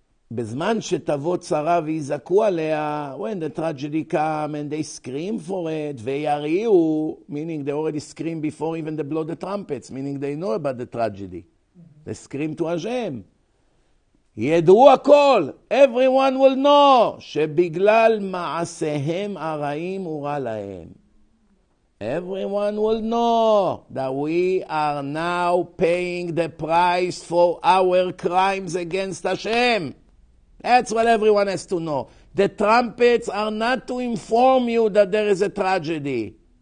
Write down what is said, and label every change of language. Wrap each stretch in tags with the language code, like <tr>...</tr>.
<he>בזמן שתבוא צרה ויזעקו עליה,</he> <en>when the tragedy come and they scream for it,</en> <he>ויריעו,</he> <en>meaning they already scream before even they blow the trumpets, meaning they know about the tragedy. They scream to Hashem.</en> <he>ידעו הכל,</he> <en>everyone will know,</en> <he>שבגלל מעשיהם הרעים ורע להם.</he> <en>Everyone will know that we are now paying the price for our crimes against Hashem. That's what everyone has to know. The trumpets are not to inform you that there is a tragedy.</en>